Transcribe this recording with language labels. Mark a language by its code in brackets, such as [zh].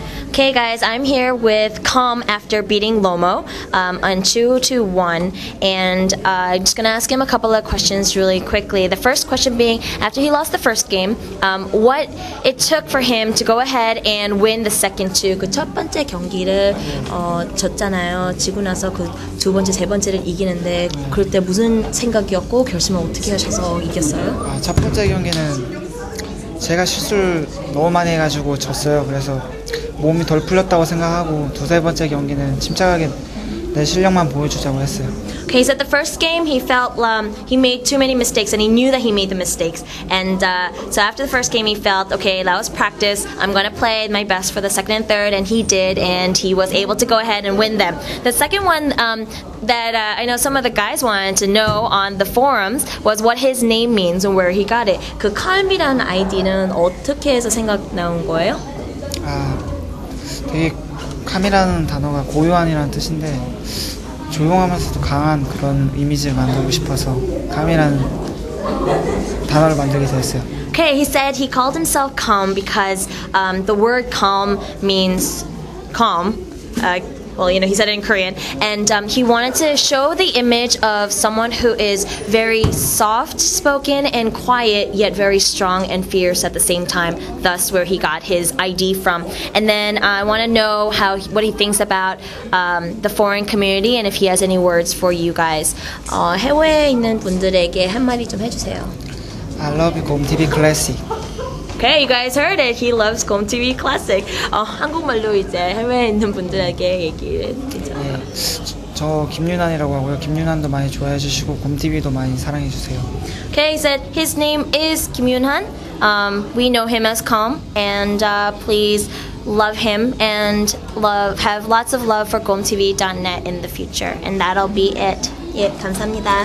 [en] Okay, guys, I'm here with Calm after beating Lomo on 2-1. And I'm just going to ask him a couple of questions really quickly. The first question being, after he lost the first game, what it took for him to go ahead and win the second two? [ko] 그 첫 번째 경기를 졌잖아요. 지고 나서 그 두 번째, 세 번째를 이기는데 그럴 때 무슨 생각이었고 결심을 어떻게 하셔서 이겼어요? 첫 번째 경기는 제가 실수를 너무 많이 해가지고 졌어요. 그래서 몸이 덜 풀렸다고 생각하고 두세 번째 경기는 침착하게 내 실력만 보여주자고 했어요. [en] Okay, he said the first game he felt he made too many mistakes and he knew that he made the mistakes. And so after the first game he felt, okay, that was practice. I'm going to play my best for the second and third. And he did and he was able to go ahead and win them. The second one that I know some of the guys wanted to know on the forums was what his name means and where he got it. [ko] 그 칼미라는 아이디는 어떻게 해서 생각나온 거예요? 되게 카미라는 단어가 고요한이라는 뜻인데 조용하면서도 강한 그런 이미지를 만들고 싶어서 카미라는 단어를 만들게 되었어요. [en] Okay, he said he called himself calm because the word calm means calm. Well, you know, he said it in Korean. And he wanted to show the image of someone who is very soft-spoken and quiet, yet very strong and fierce at the same time, thus where he got his ID from. And then I want to know what he thinks about the foreign community and if he has any words for you guys. [ko] 해외에 있는 분들에게 한 마디 좀 해주세요. [en] I love you, Gom TV Classic. Okay, you guys heard it. He loves Gom TV Classic. [ko] 한국말로 이제 해외에 있는 분들에게 얘기를 드리죠. 저 김유난이라고 하고요. 김유난도 많이 좋아해 주시고 Gom TV도 많이 사랑해 주세요. [en] Okay, he said his name is Kim Yoon-han. We know him as Calm. And please love him and have lots of love for GomTV.net in the future. And that'll be it. [ko] 예, 감사합니다.